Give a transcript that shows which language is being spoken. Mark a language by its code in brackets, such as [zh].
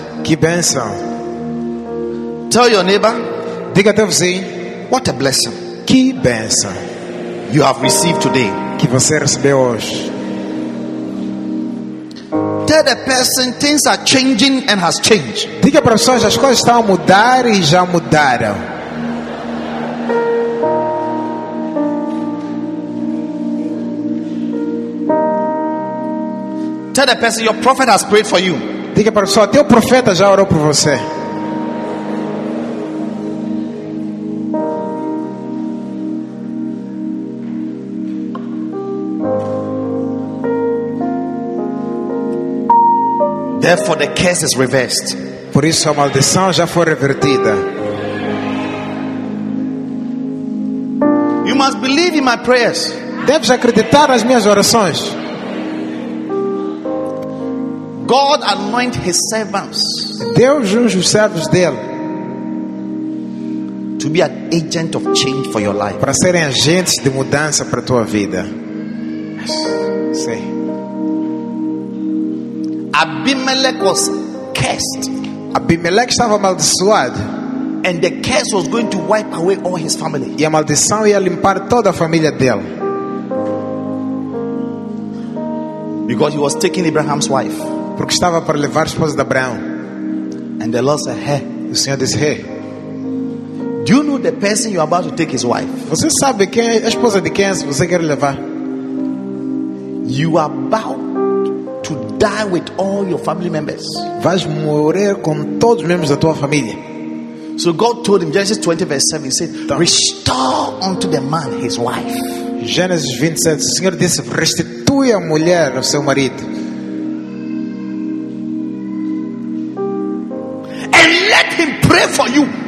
[pt] Que bênção. [en] Tell your neighbor. [pt] Diga a teu vizinho. [en] What a blessing. [pt] Que bênção. [en] You have received today. [pt] Que você recebeu hoje. [en] Tell the person things are changing and has changed. [pt] Diga para as pessoas, as coisas estão a mudar e já mudaram. [en] Tell the person your prophet has prayed for you. [pt] Diga para a pessoa, teu profeta já orou por você. [en] Therefore, the curse is reversed. [pt] Por isso a maldição já foi revertida. [en] You must believe in my prayers. [pt] Deves acreditar nas minhas orações. [en] God anoint his servants. [pt] Deus unge os servos dele. [en] To be an agent of change for your life. [pt] Para serem agentes de mudança para tua vida. [en] Abimelech was cursed. [pt] Abimelech estava amaldiçoado. [en] And the curse was going to wipe away all his family. [pt] E a maldição ia limpar toda a família dele. [en] Because he was taking Abraham's wife. [pt] Porque estava para levar a esposa de Abraão. [en] And the Lord said, "Hey." [pt] O Senhor disse, "Hey." [en] Do you know the person you are about to take his wife? [pt] Você sabe quem é a esposa de quem você quer levar? [en] You are about to die with all your family members. [pt] Vais morrer com todos os membros da tua família. [en] So God told him, Genesis 20 verse 7, he said, então, restore unto the man his wife. [pt] Gênesis 27, o Senhor disse, restitui a mulher ao seu marido. [en] And let him pray for you.